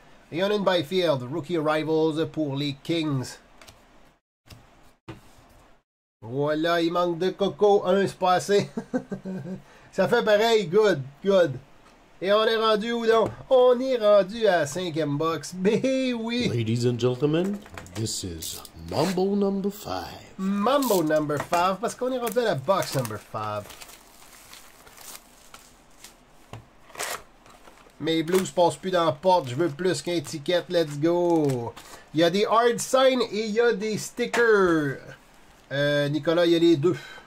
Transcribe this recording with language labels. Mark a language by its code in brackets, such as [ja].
[fr] Et on a une Byfield, Rookie Arrivals pour les Kings. Voilà, il manque de coco. Un, c'est pas assez. Ça fait pareil. [en] Good, good. [fr] Et on est rendu où donc? On est rendu à la cinquième box. Mais oui. [en] Ladies and gentlemen, this is Mambo number 5. [fr] Mambo number 5, parce qu'on est rendu à la box number 5. Mes blues passent plus dans la porte. Je veux plus qu'un ticket. [en] Let's go. [fr] Il y a des hard signs et il y a des stickers. Nicolas, il y a les deux.